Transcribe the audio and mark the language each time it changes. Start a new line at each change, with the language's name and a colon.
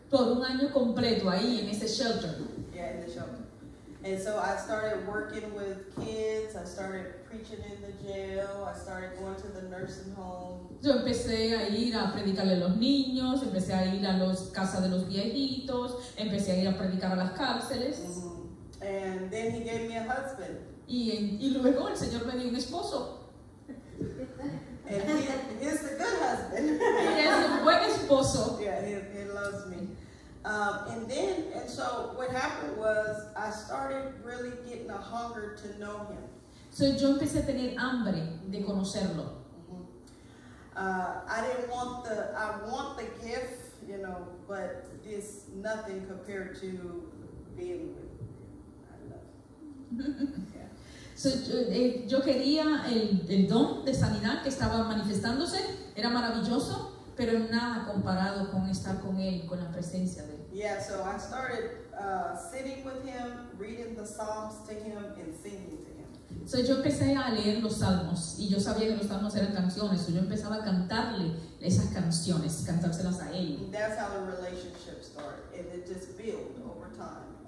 Spanish: Por un año completo ahí en ese shelter.
English: Yeah, in the shelter. And so I started working with kids. I started preaching in the jail. I started going to the nursing home.
Spanish: Yo empecé a ir a predicarle a los niños, empecé a ir a las casas de los viejitos, empecé a ir a predicar a las cárceles. Mm-hmm.
English: And then he gave me a husband.
Spanish: Y luego el Señor me dio un esposo.
English: And he is a good husband.
Spanish: Y es un buen esposo.
English: Yeah, he loves me. And so what happened was I started really getting a hunger to know him.
Spanish: So yo empecé a tener hambre de conocerlo. Mm-hmm.
English: I want the gift, you know, but it's nothing compared to being with. I love.
Spanish: So, yo quería el don de sanidad que estaba manifestándose, era maravilloso, pero nada comparado con estar con él, con la presencia de él.
English: Yeah, so I started sitting with him, reading the Psalms to him, and singing to him.
Spanish: So yo empecé a leer los Salmos, y yo sabía que los Salmos eran canciones, so yo empezaba a cantarle esas canciones, cantárselas a él.
English: That's how the relationship started, and it just built over time.